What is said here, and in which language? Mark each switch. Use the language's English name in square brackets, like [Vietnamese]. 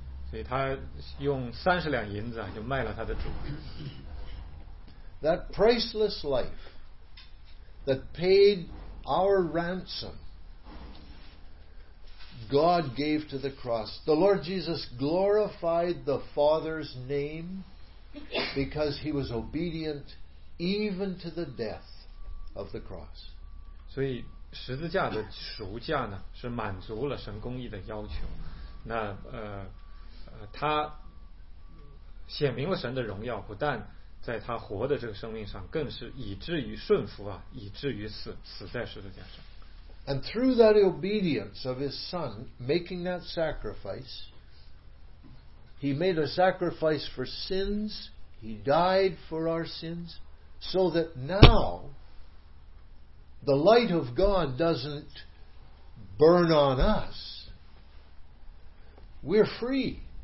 [Chinese] 所以他用三十两银子啊，就卖了他的主。 [English] That priceless life that paid our ransom, God gave to the cross. The Lord Jesus glorified the Father's name because he was obedient even to the death of the cross. [Chinese] 所以十字架的赎价呢，是满足了神公义的要求。那他显明了神的荣耀，不但在他活的这个生命上，更是以至于顺服啊，以至于死在十字架上。 [English] And through that obedience of his son making that sacrifice, he made a sacrifice for sins. He died for our sins, so that now. The light of God doesn't burn on us. We're free.